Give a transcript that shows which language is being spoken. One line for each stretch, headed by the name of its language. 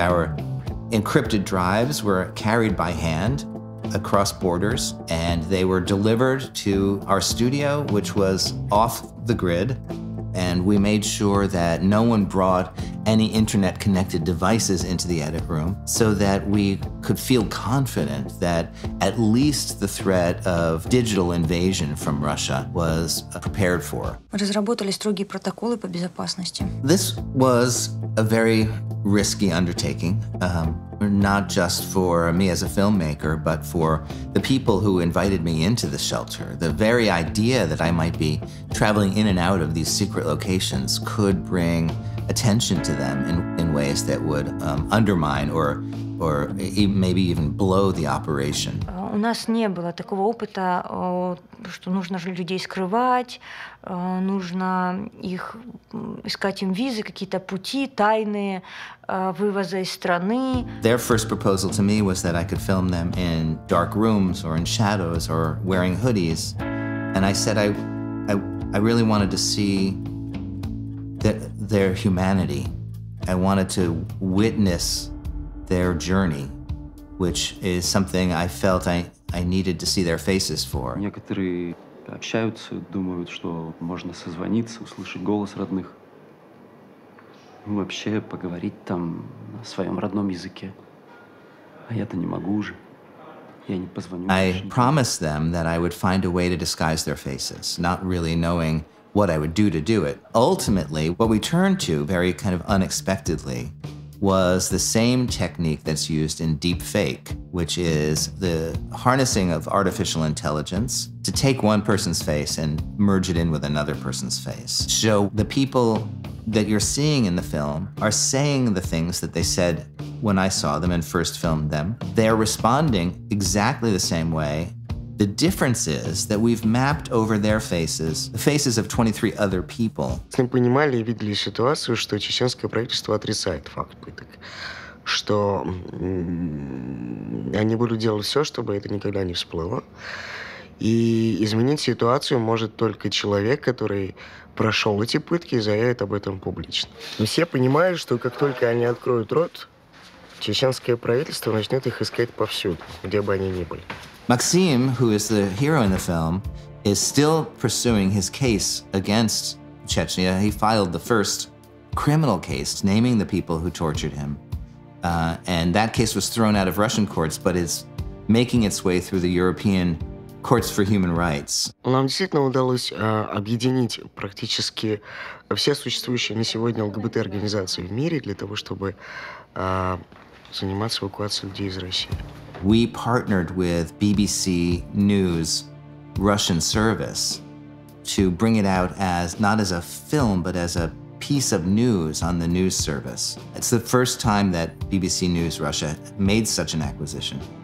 English: Our encrypted drives were carried by hand across borders, and they were delivered to our studio, which was off the grid. And we made sure that no one brought any internet-connected devices into the edit room so that we could feel confident that at least the threat of digital invasion from Russia was prepared for.
Russian: Мы разработали строгие протоколы по безопасности.
English: This was a very risky undertaking, not just for me as a filmmaker, but for the people who invited me into the shelter. The very idea that I might be traveling in and out of these secret locations could bring attention to them in ways that would undermine or maybe even blow the operation.
Russian: У нас не было такого опыта, что нужно же людей скрывать, нужно их искать им визы, какие-то пути, тайные вывоза из страны.
English: Their first proposal to me was that I could film them in dark rooms or in shadows or wearing hoodies. And I said I really wanted to see their humanity. I wanted to witness their journey, which is something I felt I needed to see their faces for.
Russian: Некоторые общаются, думают, что можно созвониться, услышать голос родных, вообще поговорить там на своем родном языке. А я-то не могу уже. Я не позвоню.
English: I promised them that I would find a way to disguise their faces, not really knowing what I would do it. Ultimately, what we turned to very kind of unexpectedly was the same technique that's used in deep fake, which is the harnessing of artificial intelligence to take one person's face and merge it in with another person's face. So the people that you're seeing in the film are saying the things that they said when I saw them and first filmed them. They're responding exactly the same way. The difference is that we've mapped over their faces, the faces of 23 other people.
Russian: Мы понимали и видели ситуацию, что чеченское правительство отрицает факт пыток, что они будут делать все, чтобы это никогда не всплыло. И изменить ситуацию может только человек, который прошел эти пытки и заявит об этом публично. Но все понимают, что как только они откроют рот, чеченское правительство начнет их искать повсюду, где бы они ни были.
English: Maxim, who is the hero in the film, is still pursuing his case against Chechnya. He filed the first criminal case naming the people who tortured him. And that case was thrown out of Russian courts, but it's making its way through the European courts for human rights.
Russian: Нам действительно удалось объединить практически все существующие на сегодня ЛГБТ-организации в мире для того, чтобы заниматься эвакуацией людей из России.
English: We partnered with BBC News Russian service to bring it out as not as a film, but as a piece of news on the news service. It's the first time that BBC News Russia made such an acquisition.